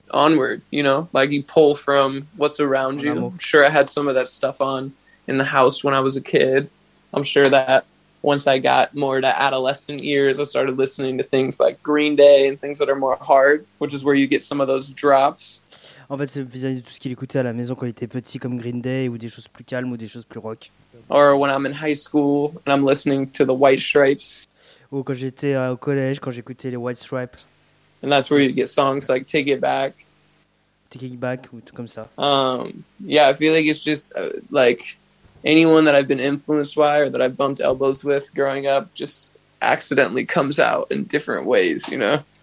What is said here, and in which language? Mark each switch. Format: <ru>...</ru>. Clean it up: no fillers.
<en>Onward, you know, like you pull from what's around you. I'm sure I had some of that stuff on in the house when I was a kid. I'm sure that once I got more to adolescent years, I started listening to things like Green Day and things that are more hard, which is where you get some of those drops.</en> <fr>En fait, c'est vis-à-vis de tout ce qu'il écoutait à la maison quand il était petit, comme Green Day, ou des choses plus calmes, ou des choses plus rock.</fr> <en>Or when I'm in high school and I'm listening to the White Stripes.</en> <fr>Ou quand j'étais au collège, quand j'écoutais les White Stripes.</fr> <en>And that's where you get songs like Take It Back.</en> <fr>Take It Back, ou tout comme ça.</fr> <en>Yeah, I feel like it's just like anyone that I've been influenced by or that I've bumped elbows with growing up just accidentally comes out in different ways, you know?</en>